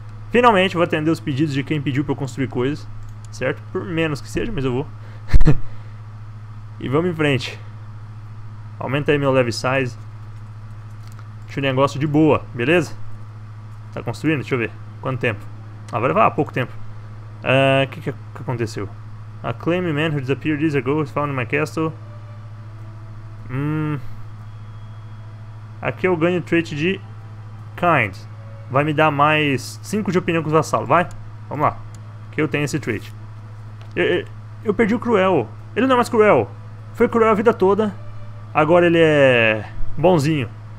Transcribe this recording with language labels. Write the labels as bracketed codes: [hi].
[pt] Finalmente vou atender os pedidos de quem pediu pra eu construir coisas. Certo? Por menos que seja, mas eu vou. E vamos em frente. Aumenta aí meu [en] level size. [pt] Deixa o negócio de boa, beleza? Tá construindo? Deixa eu ver. Quanto tempo? Ah, vai levar pouco tempo. O que aconteceu? [en] A claim man who disappeared years ago is found in my castle. [pt] Aqui eu ganho trait de kind. Vai me dar mais 5 de opinião com os vassalos, vai? Vamos lá. Que eu tenho esse trait. Eu perdi o cruel. Ele não é mais cruel. Foi cruel a vida toda. Agora ele é bonzinho.